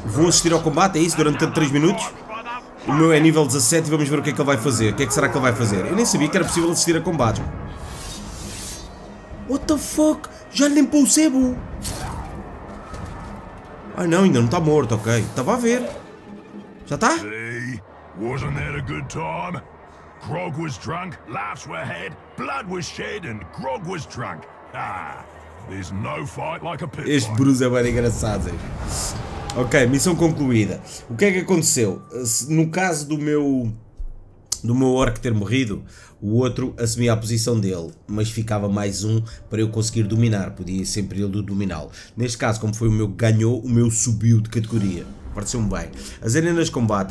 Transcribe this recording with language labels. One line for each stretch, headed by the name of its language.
Portuguese: Vou assistir ao combate, é isso? Durante 3 minutos? O meu é nível 17 e vamos ver o que é que ele vai fazer. O que é que será que ele vai fazer? Eu nem sabia que era possível assistir a combate.
English: What the fuck?
Portuguese: Já lhe limpou o sebo? Ah não, ainda não está morto, ok. Estava a ver. Já está?
English: See? Wasn't that a good time? Grog was drunk, laughs were had, blood was shed and Grog was drunk. Ah! There's no fight like a pit.
Portuguese: Este Bruce é bem engraçado. Ok, missão concluída. O que é que aconteceu? No caso do meu orc ter morrido, o outro assumia a posição dele, mas ficava mais um para eu conseguir dominar. Podia sempre ele dominá-lo. Neste caso, como foi o meu que ganhou, o meu subiu de categoria. Pareceu-me bem. As arenas de combate.